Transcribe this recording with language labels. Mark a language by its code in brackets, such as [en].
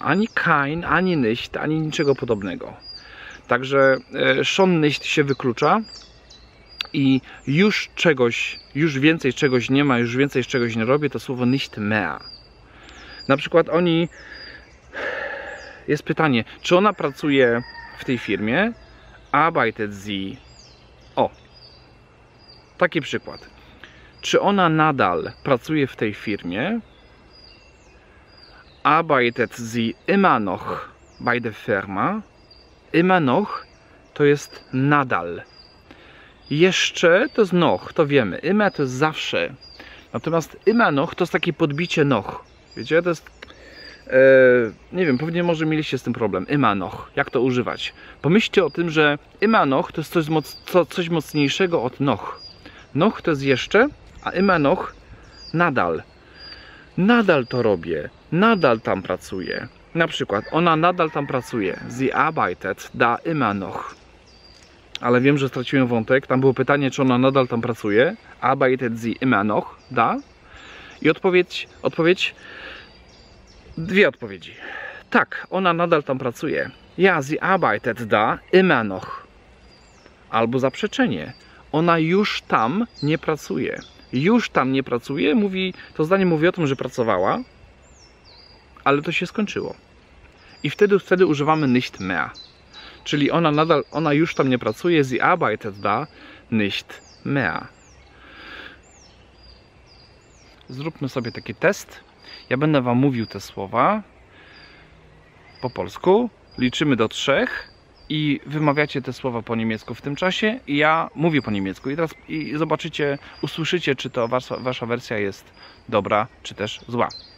[pl] Ani kein, ani nicht, ani niczego podobnego. Także schon nicht się wyklucza i już czegoś, już więcej czegoś nie ma, już więcej czegoś nie robię, to słowo nicht mehr. Na przykład oni... Jest pytanie, czy ona pracuje w tej firmie? Arbeitet sie. O! Taki przykład. Czy ona nadal pracuje w tej firmie? [de] Arbeitet sie immer noch bei der Firma? [pl] Immer noch to jest nadal. Jeszcze to jest noch, to wiemy. Immer to jest zawsze. Natomiast immer noch to jest takie podbicie noch. Wiecie, to jest... nie wiem, pewnie może mieliście z tym problem. Immer noch, jak to używać? Pomyślcie o tym, że immer noch to jest coś mocniejszego od noch. Noch to jest jeszcze... A immer noch, nadal. Nadal to robię. Nadal tam pracuję. Na przykład, ona nadal tam pracuje. [de] Sie arbeitet da immer noch. [pl] Ale wiem, że straciłem wątek. Tam było pytanie, czy ona nadal tam pracuje. [de] Arbeitet sie immer noch da? I odpowiedź. [pl] Dwie odpowiedzi. Tak, ona nadal tam pracuje. Ja, sie arbeitet da immer noch. Albo zaprzeczenie. Ona już tam nie pracuje. Już tam nie pracuje, mówi, to zdanie mówi o tym, że pracowała, ale to się skończyło. I wtedy używamy nicht mehr. Czyli ona już tam nie pracuje, sie arbeitet da nicht mehr. Zróbmy sobie taki test. Ja będę wam mówił te słowa po polsku. Liczymy do trzech. I wymawiacie te słowa po niemiecku w tym czasie i ja mówię po niemiecku. I teraz zobaczycie, usłyszycie, czy to wasza wersja jest dobra, czy też zła.